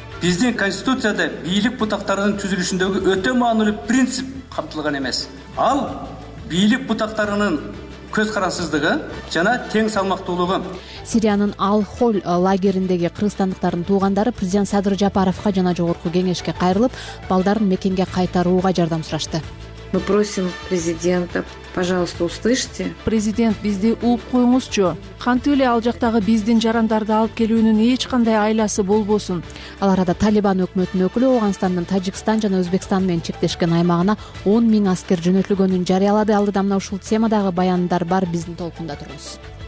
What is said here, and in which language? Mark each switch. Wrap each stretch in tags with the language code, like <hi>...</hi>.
<ky>Биздин конституцияда бийлик бутактарынын түзүлүшүндөгү өтө маанилүү принцип камтылган эмес. Ал бийлик бутактарынын көз карансыздыгы жана тең салмактуулугу. Сириянын Ал-Хол лагериндеги кыргызстандыктардын туугандары президент Садыр Жапаровго жана жогорку кеңешке кайрылып, балдарын мекенге кайтарууга жардам сурашты.</ky> <ru>Мы просим президента, пожалуйста, услышьте.</ru> <ky>Президент, бизди угуп коюңузчу. Кантип эле ал жактагы биздин жарандарды алып келүүнүн эч кандай айласы болбосун. Ал арада Талибан өкмөтүнүн өкүлү Ооганстандын Тажикстан жана Өзбекстан менен чектешкен аймагына 10,000 аскер жөнөтүлгөнүн жарыялады. Алдыда мына ушул темадагы баяндар бар, биздин толкунда туруңуз.</ky>